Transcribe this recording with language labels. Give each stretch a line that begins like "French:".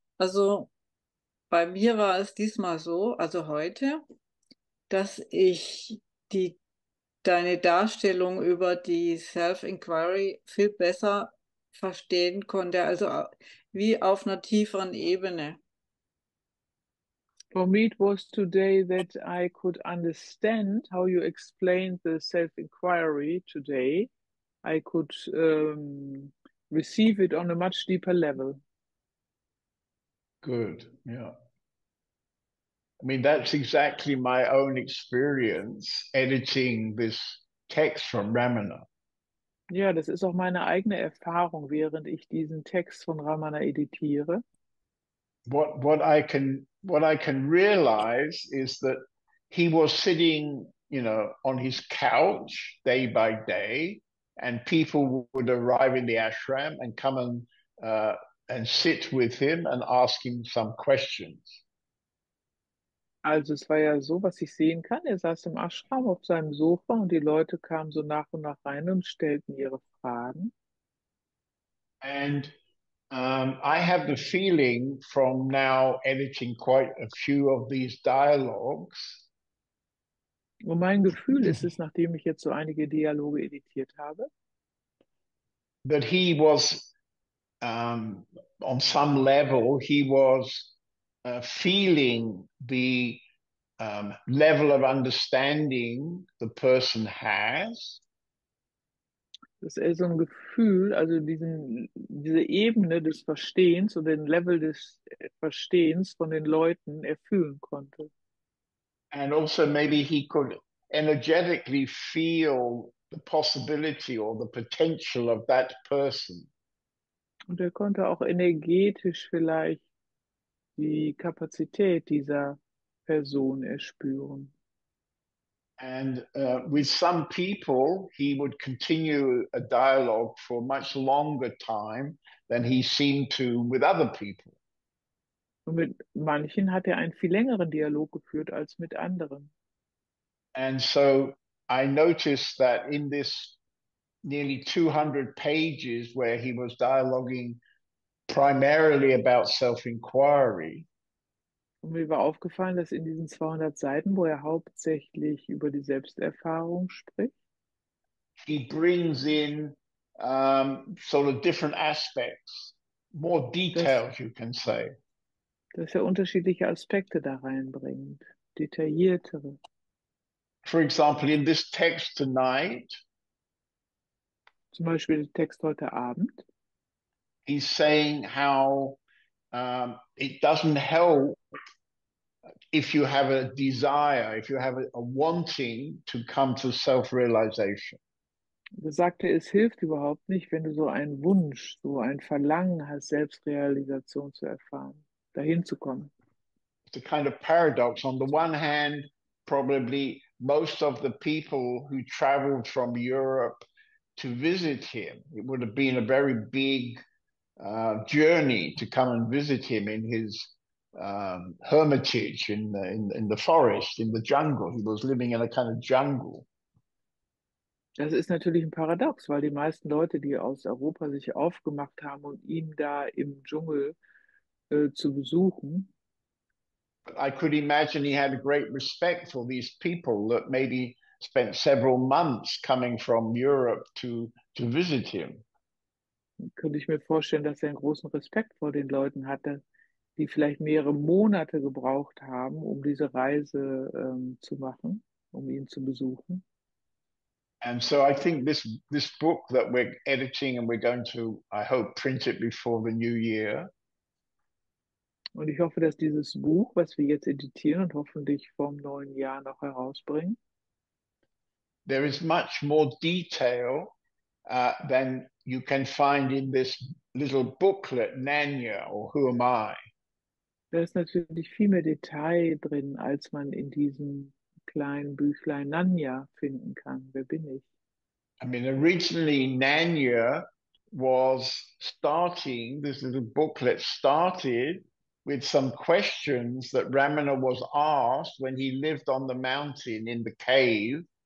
German: Also bei mir war es diesmal so, also heute, dass ich deine Darstellung über die Self-Inquiry viel besser verstehen konnte, also wie auf einer tieferen Ebene.
English: For me, it was today that I could understand how you explained the self-inquiry today. I could receive it on a much deeper level. Good, yeah. I mean, that's exactly my own experience editing this text from Ramana.
German: Ja, das ist auch meine eigene Erfahrung, während ich diesen Text von Ramana editiere.
English: What I can realize is that he was sitting, on his couch day by day, and people would arrive in the ashram and come and sit with him and ask him some questions.
German: Also es war ja so, was ich sehen kann. Er saß im Ashram auf seinem Sofa und die Leute kamen so nach und nach rein und stellten ihre Fragen.
English: And I have the feeling from now editing quite a few of these dialogues.
German: Und mein Gefühl ist es, nachdem ich jetzt so einige Dialoge editiert habe,
English: that he was on some level, he was feeling the level of understanding the person has.
German: Dass er so ein Gefühl, also diese Ebene des Verstehens oder den Level des Verstehens von den Leuten erfüllen konnte.
English: And also maybe he could energetically feel the possibility or the potential of that person.
German: Und er konnte auch energetisch vielleicht die Kapazität dieser Person erspüren.
English: And with some people, he would continue a dialogue for much longer time than he seemed to with other people.
German: Und mit manchen hat einen viel längeren Dialog geführt als mit anderen.
English: And so I noticed that in this nearly 200 pages where he was dialoguing primarily about self-inquiry.
German: Und mir war aufgefallen, dass in diesen 200 Seiten, wo hauptsächlich über die Selbsterfahrung spricht,
English: he brings in sort of different aspects, more details, you can say.
German: Dass unterschiedliche Aspekte da reinbringt, detailliertere.
English: For example, in this text tonight,
German: zum Beispiel den Text heute Abend,
English: he's saying how it doesn't help if you have a desire, if you have a wanting to come to self-realization.
German: Er sagte, es hilft überhaupt nicht, wenn du so einen Wunsch, so ein Verlangen hast, Selbstrealisation zu erfahren, dahin zu kommen.
English: It's a kind of paradox. On the one hand, probably most of the people who traveled from Europe to visit him, it would have been a very big journey to come and visit him in his hermitage in the forest, in the jungle. He was living in a kind of jungle.
German: Das ist natürlich ein Paradox, weil die meisten Leute, die aus Europa sich aufgemacht haben, um ihn da im Dschungel zu besuchen.
English: I could imagine he had a great respect for these people that maybe spent several months coming from Europe to visit him.
German: Könnte ich mir vorstellen, dass er einen großen Respekt vor den Leuten hatte, die vielleicht mehrere Monate gebraucht haben, um diese Reise zu machen, um ihn zu besuchen.
English: And so I think this book that we're editing and we're going to, I hope, print it before the new year.
German: Und ich hoffe, dass dieses Buch, was wir jetzt editieren und hoffentlich vom neuen Jahr noch herausbringen,
English: there is much more detail than you can find in this little booklet, Nanya, or Who Am I?
German: Da ist natürlich viel mehr Detail drin, als man in diesem kleinen Büchlein Nanya finden kann. Wer bin ich?
English: I mean, originally Nanya was starting, this little booklet started with some questions that Ramana was asked when he lived on the mountain in the cave.